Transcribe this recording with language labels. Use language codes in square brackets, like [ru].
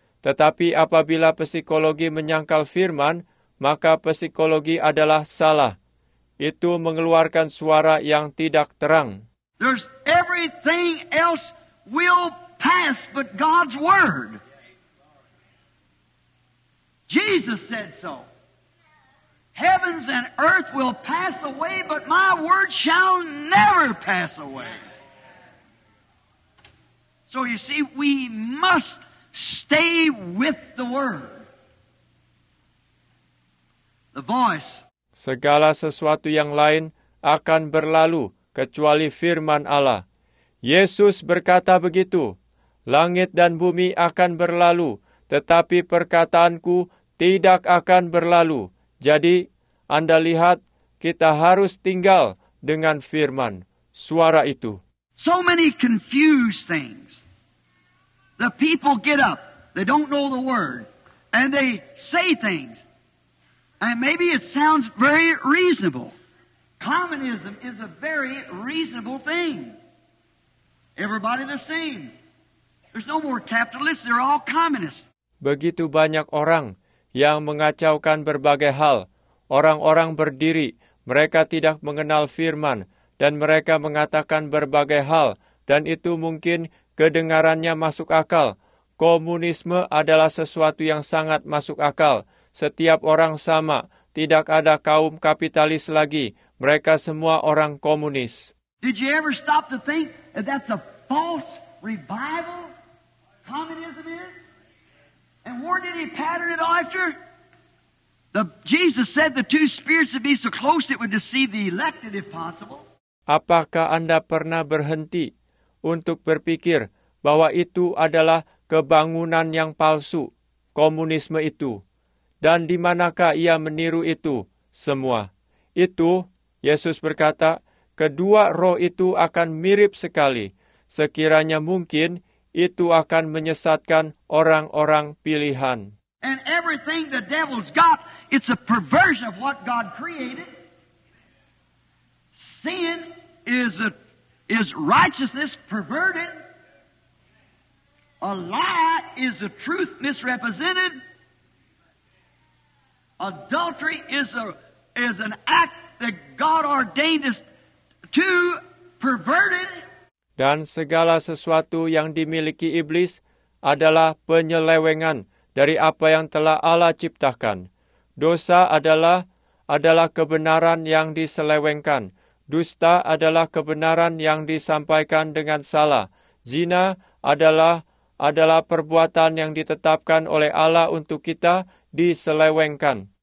[id] Tetapi apabila psikologi menyangkal firman, maka psikologi adalah salah. Itu mengeluarkan suara yang tidak terang. [en] There's everything else will pass but God's word. Jesus said so. Heavens and earth will pass away but my word shall never pass away. So you see, we must stay with the word. The voice. [id] Segala sesuatu yang lain akan berlalu. Kecuali firman Allah. Yesus berkata begitu, langit dan bumi akan berlalu, tetapi perkataanku tidak akan berlalu. Jadi, Anda lihat, kita harus tinggal dengan firman, suara itu. [en] So many confused things. The people get up, they don't know the word, and they say things. And maybe it sounds very reasonable. Communism is a very reasonable thing. Everybody the same. There's no more capitalists, they're all communists. [id] Begitu banyak orang yang mengacaukan berbagai hal. Orang-orang berdiri, mereka tidak mengenal firman, dan mereka mengatakan berbagai hal, dan itu mungkin kedengarannya masuk akal. Komunisme adalah sesuatu yang sangat masuk akal. Setiap orang sama, tidak ada kaum kapitalis lagi. Mereka semua orang komunis. [en] Did you ever stop to think that that's a false revival communism is? And where did he pattern it after? Jesus said the two spirits would be so close it would deceive the elected if possible. [id] Apakah Anda pernah berhenti untuk berpikir bahwa itu adalah kebangunan yang palsu, komunisme itu? Dan di manakah ia meniru itu semua? Itu Yesus berkata, kedua roh itu akan mirip sekali. Sekiranya mungkin, itu akan menyesatkan orang-orang pilihan. [en] And everything the devil's got, it's a perversion of what God created. Sin is righteousness perverted. A lie is the truth misrepresented. Adultery is an act that God ordained is too perverted. [id] Dan segala sesuatu yang dimiliki iblis adalah penyelewengan dari apa yang telah Allah ciptakan. Dosa adalah kebenaran yang diselewengkan. Dusta adalah kebenaran yang disampaikan dengan salah. Zina adalah perbuatan yang ditetapkan oleh Allah untuk kita diselewengkan.